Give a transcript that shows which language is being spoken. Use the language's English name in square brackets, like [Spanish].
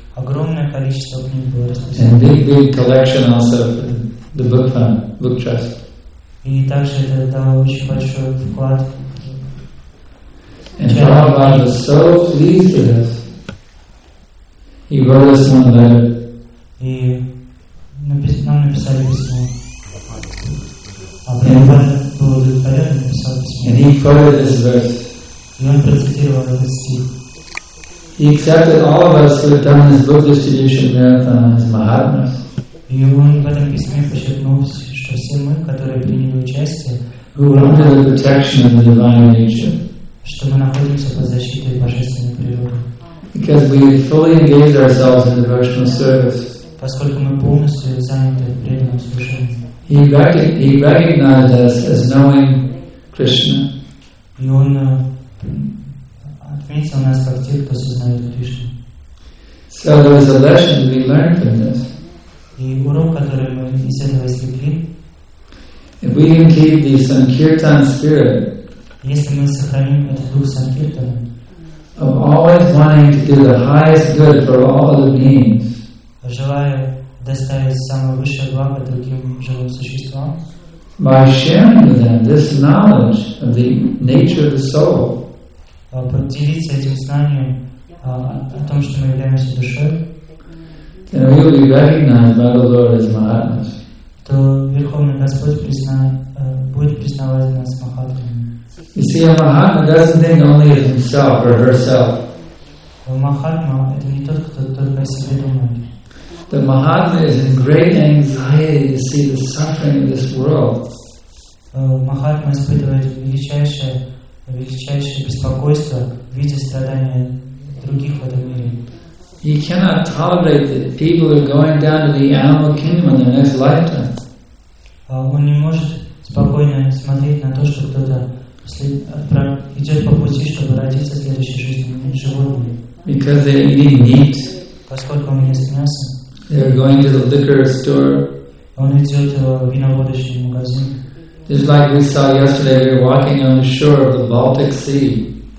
[English] And big, big collection also for the book fund, book trust. [Russian] И также это дало очень большой вклад. [English] And Prabhupada was so pleased with us. He wrote us one letter. [Russian] И нам написали письмо. А Прабхупада был удовлетворен и написал письмо. [English] And he quoted this verse. [Russian] И он процитировал этот стих. [English] He accepted all of us who had done this book distribution marathon as Mahatmas. [Russian] И он в этом письме подчеркнул, что все мы, которые приняли участие, [English] who were under the protection of the divine nature, [Russian] что мы находимся под защитой божественной природы, [English] because we fully engaged ourselves in devotional service, [Russian] поскольку мы полностью заняты преданным служением, [English] he recognized us as knowing Krishna. [Russian] И он отметил нас как тех, кто сознает Кришну. [English] So there is a lesson we learned from this. [Russian] И урок, который мы из этого извлекли. [English] If we can keep the Sankirtan spirit, [Russian] если мы сохраним этот дух Санкиртана, [English] of always wanting to do the highest good for all other beings, [Russian] желая доставить самое высшее благо другим живым существам, [English] by sharing with them this knowledge of the nature of the soul, [Russian] поделиться этим знанием о том, что мы являемся душой, [English] then we will be recognized by the Lord as Mahatmas. [Russian] То Верховный Господь будет признавать нас Махатмами. [English] You see, a Mahatma doesn't think only of himself or herself. [Russian] Махатма — это не тот, кто только о себе думает. [English] The Mahatma is in great anxiety to see the suffering of this world. [Russian] Махатма испытывает величайшее беспокойство, видя страдания других в этом мире. [English] He cannot tolerate that people are going down to the animal kingdom in their next lifetime. [Russian] Он не может спокойно смотреть на то, что кто-то идет по пути, чтобы родиться в следующей жизни животными. [English] Because they eat meat. [Russian] Поскольку он ест мясо. [English] They are going to the liquor store. [Russian] Он идет в виноводочный магазин. [English] Just like we saw yesterday, we were walking on the shore of the Baltic Sea.